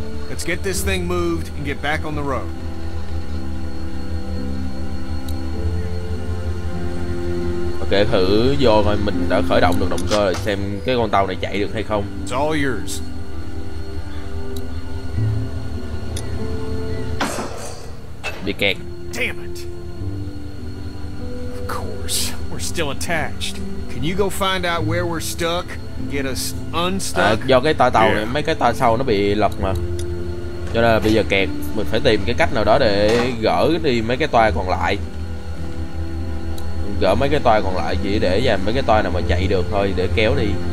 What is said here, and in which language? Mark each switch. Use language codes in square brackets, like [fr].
[en] Let's get this thing moved and get back on the road. [vi] Ok, thử vô coi mình đã khởi động được động cơ rồi, xem cái con tàu này chạy được hay không. [en] It's all yours. [vi] Bị kẹt. [en] Damn it. Of course, we're still attached. Can you go find out where we're stuck? Get us unstuck. [vi] Do cái toa tàu này, mấy cái toa sau nó bị lật mà, cho nên là bây giờ kẹt, mình phải tìm cái cách nào đó để gỡ đi mấy cái toa còn lại, gỡ mấy cái toa còn lại chỉ để dành mấy cái toa nào mà chạy được thôi để kéo đi.